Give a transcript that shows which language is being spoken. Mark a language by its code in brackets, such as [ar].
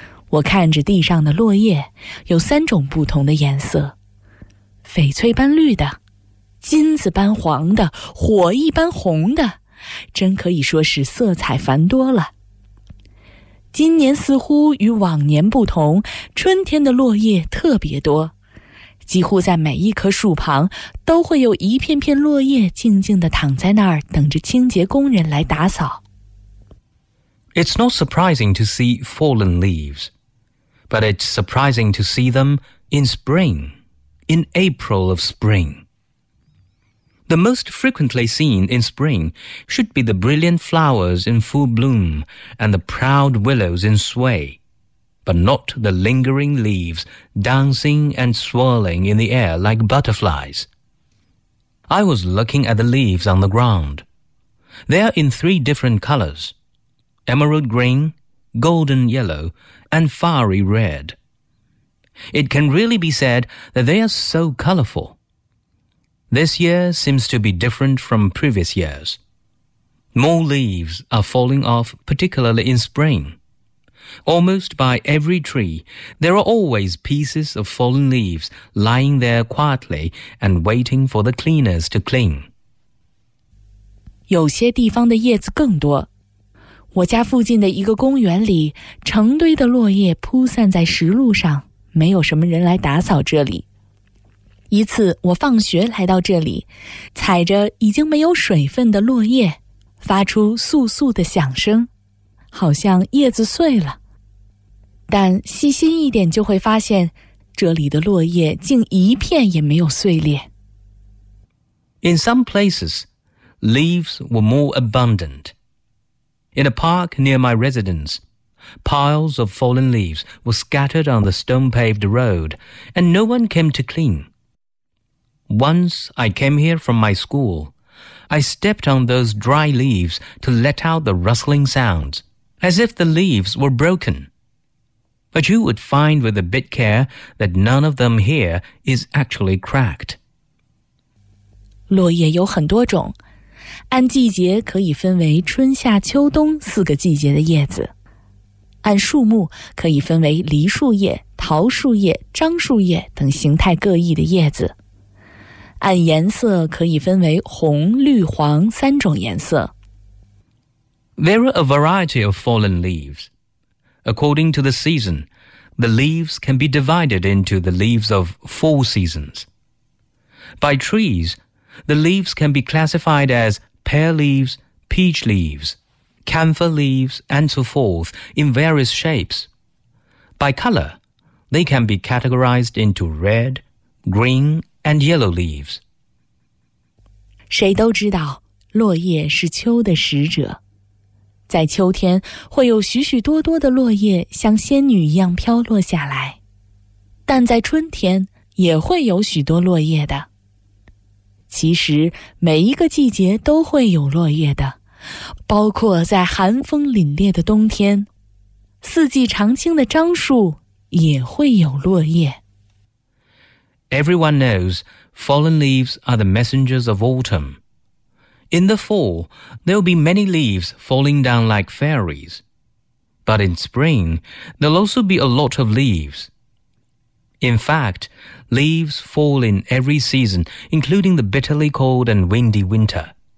[zh] 我看着地上的落叶，有三种不同的颜色：翡翠般绿的，金子般黄的，火一般红的，真可以说是色彩繁多了。今年似乎与往年不同，春天的落叶特别多，几乎在每一棵树旁都会有一片片落叶静静地躺在那儿，等着清洁工人来打扫。 [en] It's not surprising to see fallen leaves, but it's surprising to see them in spring, in April of spring. The most frequently seen in spring should be the brilliant flowers in full bloom and the proud willows in sway, but not the lingering leaves dancing and swirling in the air like butterflies. I was looking at the leaves on the ground. They are in three different colors, emerald green, golden yellow, and fiery red. It can really be said that they are so colorful. This year seems to be different from previous years. More leaves are falling off, particularly in spring. Almost by every tree, there are always pieces of fallen leaves lying there quietly and waiting for the cleaners to clean. [zh] 有些地方的叶子更多。我家附近的一个公园里，成堆的落叶铺散在石路上，没有什么人来打扫这里。一次我放学来到这里，踩着已经没有水分的落叶，发出簌簌的响声，好像叶子碎了。但细心一点就会发现，这里的落叶竟一片也没有碎裂。 [en] In some places, leaves were more abundant. In a park near my residence,Piles of fallen leaves were scattered on the stone-paved road, and no one came to clean. Once I came here from my school, I stepped on those dry leaves to let out the rustling sounds, as if the leaves were broken. But you would find with a bit care that none of them here is actually cracked. [zh] 落叶有很多种，按季节可以分为春夏秋冬四个季节的叶子。按树木可以分为梨树叶、桃树叶、樟树叶等形态各异的叶子。按颜色可以分为红、绿、黄三种颜色。 [en] There are a variety of fallen leaves. According to the season, the leaves can be divided into the leaves of four seasons. By trees, the leaves can be classified as pear leaves, peach leaves,camphor leaves and so forth in various shapes. By color, they can be categorized into red, green and yellow leaves. [zh] 谁都知道落叶是秋的使者。在秋天会有许许多多的落叶像仙女一样飘落下来。但在春天也会有许多落叶的。其实每一个季节都会有落叶的。包括在寒风凛冽的冬天，四季常青的樟树也会有落叶。 [en] Everyone knows fallen leaves are the messengers of autumn. In the fall, there'll be many leaves falling down like fairies. But But in spring, there'll also be a lot of leaves. In fact, leaves fall in every season, including the bitterly cold and windy winter.